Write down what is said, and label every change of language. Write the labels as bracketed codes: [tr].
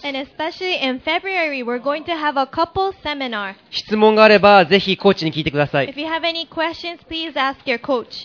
[en] And especially in February, we're going to have a couple seminar. [ja] 質問があればぜひコーチに聞いてください。 [en] If you have any questions, please ask your coach.